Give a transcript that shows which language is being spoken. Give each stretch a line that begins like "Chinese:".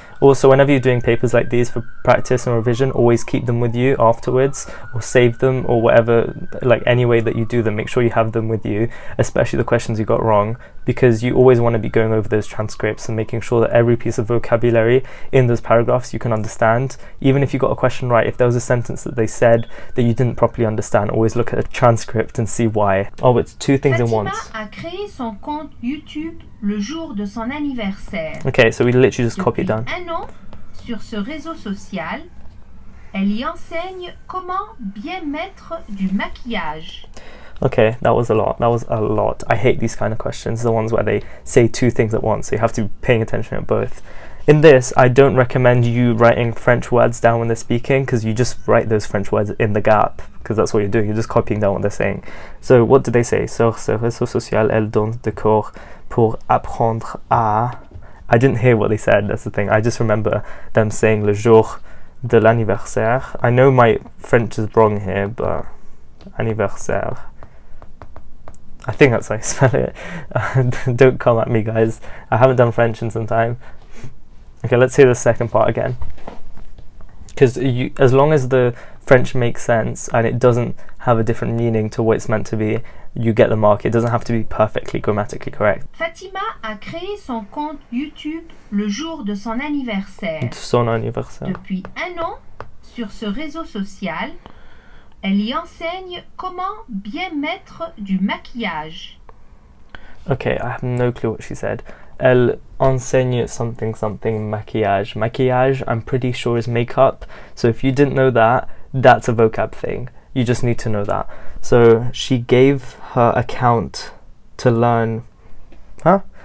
English: Also, whenever you're doing papers like these for practice and revision, always keep them with you afterwards, or save them, or whatever, like any way that you do them, make sure you have them with you, especially the questions you got wrong, because you always want to be going over those transcripts and making sure that every piece of vocabulary in those paragraphs you can understand. Even if you got a question right, if there was a sentence that they said that you didn't properly understand, always look at a transcript and see why. Oh, it's two things in once.
French: Fatima a créé son compte YouTube le jour de son anniversaire.
English: Okay, so we literally just copied down.
French: Un an sur ce réseau social, elle y enseigne comment bien mettre du maquillage.
English: Okay, that was a lot. That was a lot. I hate these kind of questions, the ones where they say two things at once, so you have to be paying attention at both. In this, I don't recommend you writing French words down when they're speaking, because you just write those French words in the gap, because that's what you're doing. You're just copying down what they're saying. So what do they say?
French: Sur ce réseau social, elle donne des cours pour apprendre à...
English: I didn't hear what they said, that's the thing. I just remember them saying
French: le jour de l'anniversaire.
English: I know my French is wrong here, but anniversaire. I think that's how you spell it. Don't come at me, guys. I haven't done French in some time. Okay, let's hear the second part again. Because you, as long as the French makes sense and it doesn't have a different meaning to what it's meant to be, you get the mark. It doesn't have to be perfectly grammatically correct.
French: Fatima a créé son compte YouTube le jour de son anniversaire. Son anniversaire. Depuis un an, sur ce réseau social, elle y enseigne comment bien mettre du maquillage.
English: Okay, I have no clue what she said.
French: Elle enseigne
English: something something maquillage. Maquillage, I'm pretty sure, is makeup. So if you didn't know that, that's a vocab thing. You just need to know that. So she gave her account to learn... Huh?